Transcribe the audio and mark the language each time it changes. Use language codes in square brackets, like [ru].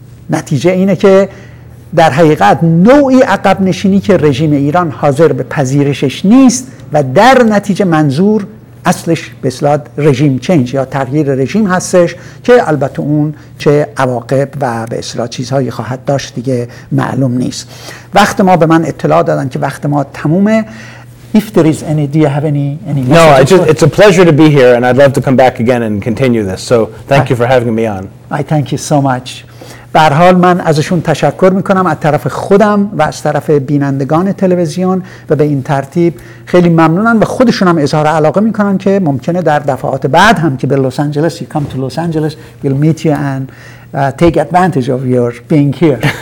[fa] نتیجه اینه که در حقیقت نوعی عقب نشینی که رژیم ایران حاضر به پذیرشش نیست و در نتیجه منظور اصلش به اصطلاح رژیم چینج یا تغییر رژیم هستش که البته اون چه عواقب و به اصطلاح چیزهایی خواهد داشت دیگه معلوم نیست وقت ما به من اطلاع دادن که وقت ما تمومه [en] If there is any, do you have any No, it's a pleasure to be here, and I'd love to come back again and continue this. So thank you for having me on. I thank you so much. [fa] به هر حال من ازشون تشکر میکنم از طرف خودم و از طرف بینندگان تلویزیون و به این ترتیب خیلی ممنونن و خودشون هم اظهار علاقه میکنن که ممکنه در دفعات بعد هم که به لس آنجلس [en] you come to Los Angeles we'll meet you and take advantage of your being here.